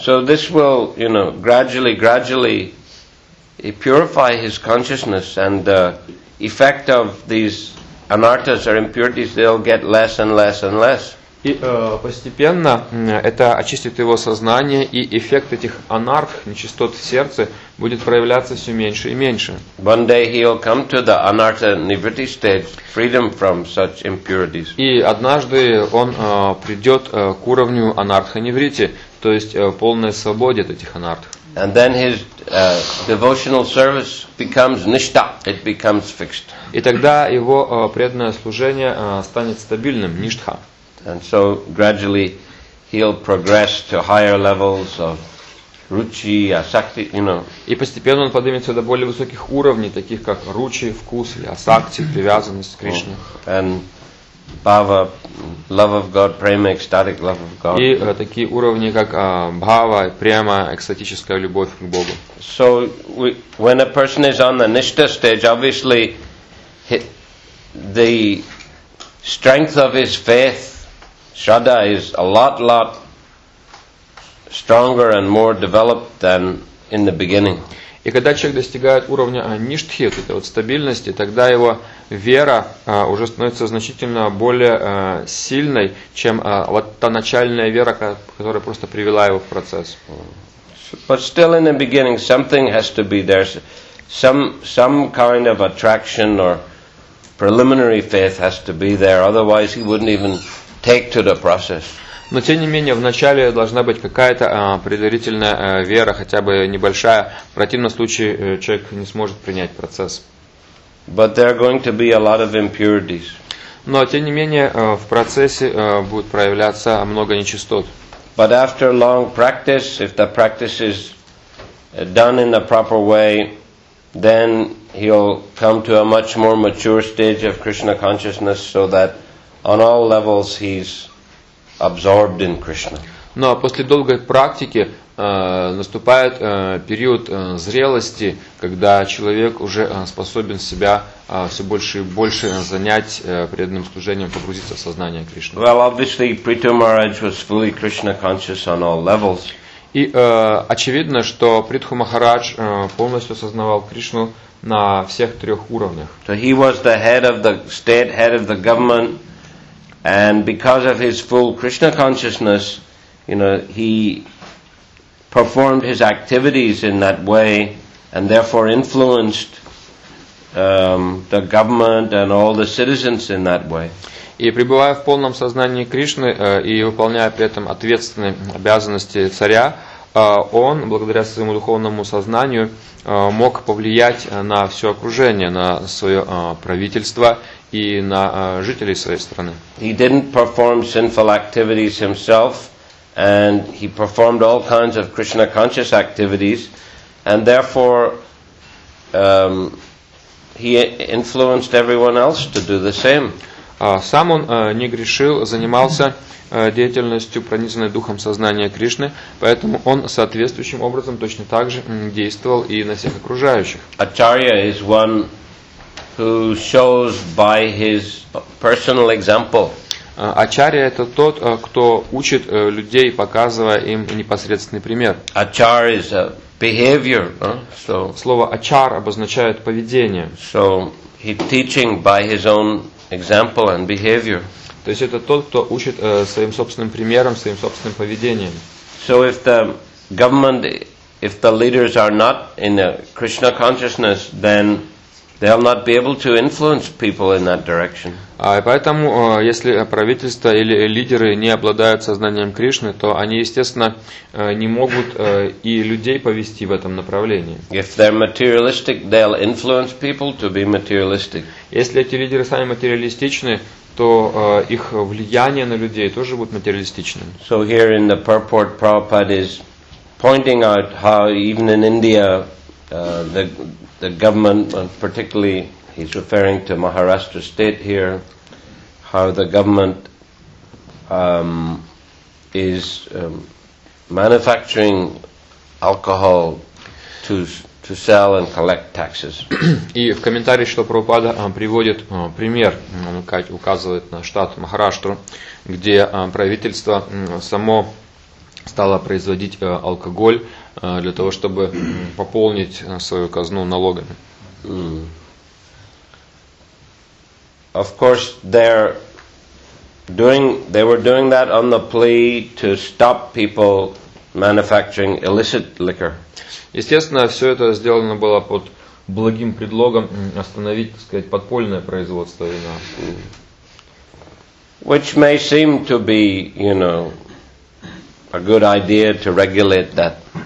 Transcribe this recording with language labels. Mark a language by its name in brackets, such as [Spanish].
[English] So this will, you know, gradually purify his consciousness, and the effect of these anarthas or impurities, they'll get less and less and less. [Russian] И постепенно это очистит его сознание, и эффект этих анарх, нечистот в сердце, будет проявляться все меньше и меньше. [English] One day he'll come to the anartha nivritti stage, freedom from such impurities. [Russian] И однажды он придет к уровню анартха нивритти, то есть полной свободе от этих анарх. [English] And then his devotional service becomes nishta, it becomes fixed. [Russian] И тогда его преданное служение станет стабильным, ништха. [English] And so gradually he'll progress to higher levels of ruchi, asakti, you know. [Russian] И постепенно он поднимется до более высоких уровней, таких как ruchi, вкус, или asakti, привязанность к Кришне. [English] And bhava, love of God, prema, ecstatic love of God. [Russian] И такие уровни, как bhava, prema, экстатическая любовь к Богу. [English] So when a person is on the nishta stage, obviously the strength of his faith, Shraddha, is a lot, lot stronger and more developed than in the beginning. [Russian] И когда человек достигает уровня ништхи, вот этой вот стабильности, тогда его вера уже становится значительно более сильной, чем вот та начальная вера, которая просто привела его в процесс. [English] But still in the beginning something has to be there. Some kind of attraction or preliminary faith has to be there, otherwise he wouldn't even take to the process. [Russian] Но тем не менее, в начале должна быть какая-то предварительная вера, хотя бы небольшая. В противном случае человек не сможет принять процесс. [English] But there are going to be a lot of impurities. [Russian] Но тем не менее, в процессе будет проявляться много нечистот. [English] But after long practice, if the practice is done in the proper way, then he'll come to a much more mature stage of Krishna consciousness, so that on all levels he's absorbed in Krishna. [Russian] Но после долгой практики наступает период зрелости, когда человек уже способен себя все больше и больше занять преданным служением, погрузиться в сознание Кришны. [English] Well, obviously, Prithu Maharaj was fully Krishna conscious on all levels. [Russian] И очевидно, что Притху Махарадж полностью осознавал Кришну на всех трех уровнях. [English] So he was the head of the state, head of the government. And because of his full Krishna consciousness, you know, he performed his activities in that way and therefore influenced the government and all the citizens in that way. [Russian] И пребывая в полном сознании Кришны и выполняя при этом ответственные обязанности царя, он, благодаря своему духовному сознанию, мог повлиять на все окружение, на свое правительство и на жителей своей страны. [English] He didn't perform sinful activities himself, and he performed all kinds of Krishna conscious activities, and therefore he influenced everyone else to do the same. [Russian] Сам он не грешил, занимался деятельностью, пронизанной духом сознания Кришны, поэтому он соответствующим образом точно так же действовал и на всех окружающих. [English] Acharya is one who shows by his personal example. [Russian] Ачарья – это тот, кто учит людей, показывая им непосредственный пример. [English] Achar is a behavior, so. [Russian] Слово ачар обозначает поведение. [English] So he teaching by his own example and behavior. [Russian] То есть это тот, кто учит своим собственным примером, своим собственным поведением. [English] So if the government, if the leaders are not in a Krishna consciousness, then they'll not be able to influence people in that direction. [Russian] Поэтому, если правительство или лидеры не обладают сознанием Кришны, то они, естественно, не могут и людей повести в этом направлении. [English] If they're materialistic, they'll influence people to be materialistic. [Russian] Если эти лидеры сами материалистичны, то их влияние на людей тоже будет материалистичным. [English] So here in the purport, Prabhupada is pointing out how even in India the government, particularly he's referring to Maharashtra state here, how the government is manufacturing alcohol to sell and collect taxes. [Russian] И в комментарии, что Прабхупада приводит пример, как указывает на штат Махараштру, где правительство само стало производить алкоголь для того, чтобы пополнить свою казну налогами. [English] Of course, they were doing that on the plea to stop people manufacturing illicit liquor. [Russian] Естественно, все это сделано было под благим предлогом остановить, так сказать, подпольное производство вина. [English] Which may seem to be, you know, a good idea to regulate that.